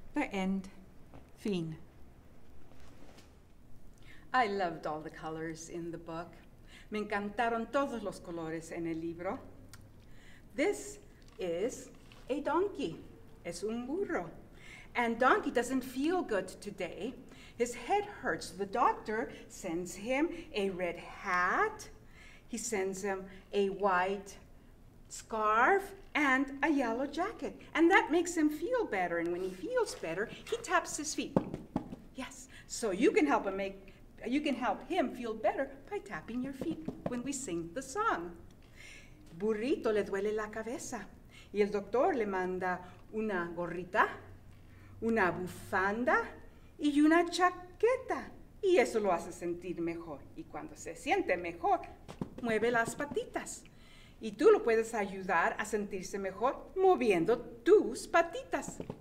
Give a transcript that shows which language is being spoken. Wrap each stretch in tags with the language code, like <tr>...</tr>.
<en>End.</en> <es>Fin.</es> <en>I loved all the colors in the book.</en> <es>Me encantaron todos los colores en el libro.</es> <en>This is a donkey.</en> <es>Es un burro.</es> <en>And donkey doesn't feel good today. His head hurts. The doctor sends him a red hat. He sends him a white scarf and a yellow jacket. And that makes him feel better. And when he feels better, he taps his feet. Yes, so you can help him feel better by tapping your feet when we sing the song.</en> <es>Burrito le duele la cabeza. Y el doctor le manda una gorrita, una bufanda y una chaqueta. Y eso lo hace sentir mejor. Y cuando se siente mejor, mueve las patitas. Y tú lo puedes ayudar a sentirse mejor moviendo tus patitas.</es>